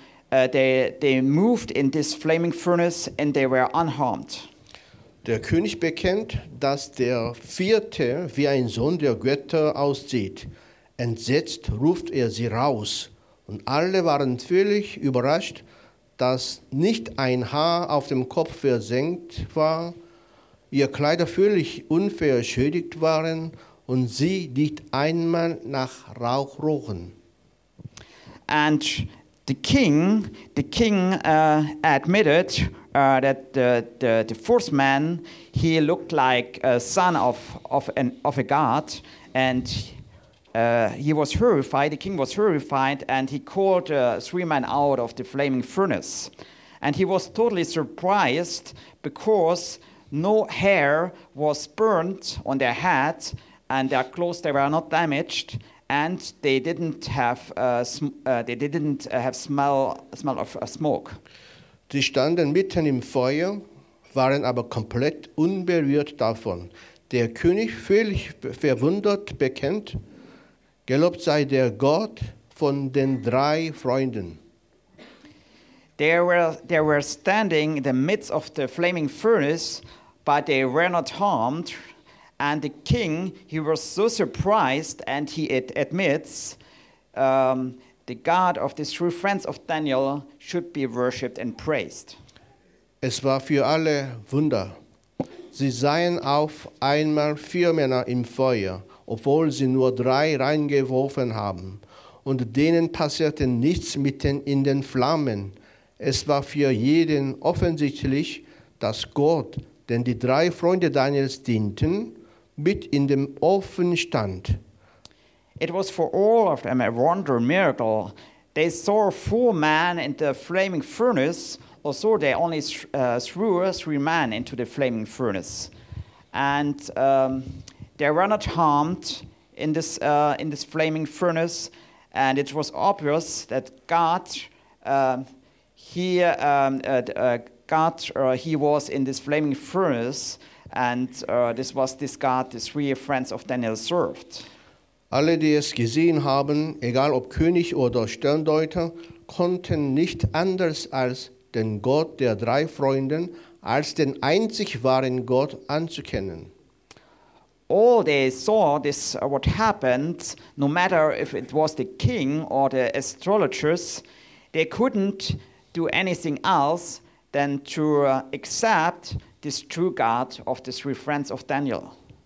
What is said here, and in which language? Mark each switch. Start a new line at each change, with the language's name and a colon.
English: They moved in this flaming furnace and they were unharmed.
German: Der König bekennt, dass der vierte wie ein Sohn der Götter aussieht. Entsetzt ruft er sie raus. Und alle waren völlig überrascht, dass nicht ein Haar auf dem Kopf versenkt war, ihr Kleider völlig unverschädigt waren und sie nicht einmal nach Rauch rochen.
English: And The king admitted that the fourth man, he looked like a son of a god, and he was horrified. The king was horrified, and he called three men out of the flaming furnace, and he was totally surprised because no hair was burnt on their head, and their clothes they were not damaged. And they didn't have smell of smoke.
German: Sie standen mitten im Feuer, waren aber komplett unberührt davon. Der König, völlig verwundert, bekennt: Gelobt sei der Gott von den drei Freunden.
English: They were standing in the midst of the flaming furnace, but they were not harmed. And the king, he was so surprised, and he admits the God of the three friends of Daniel should be worshipped and praised.
German: Es war für alle Wunder. Sie sahen auf einmal vier Männer im Feuer, obwohl sie nur drei reingeworfen haben. Und denen passierte nichts mitten in den Flammen. Es war für jeden offensichtlich, dass Gott, den die drei Freunde Daniels dienten, mit in dem Ofen stand.
English: It was for all of them a wonder miracle. They saw four men in the flaming furnace, also they only threw three men into the flaming furnace. And they were not harmed in this flaming furnace, and it was obvious that God was in this flaming furnace. And this was this God, the three friends of Daniel served.
German: Alle, die es gesehen haben, egal ob König oder Sterndeuter, konnten nicht anders als den Gott der drei Freunde, als den einzig wahren Gott, anzukennen.
English: All they saw this what happened, no matter if it was the king or the astrologers, they couldn't do anything else than to accept this true God of the three friends of Daniel.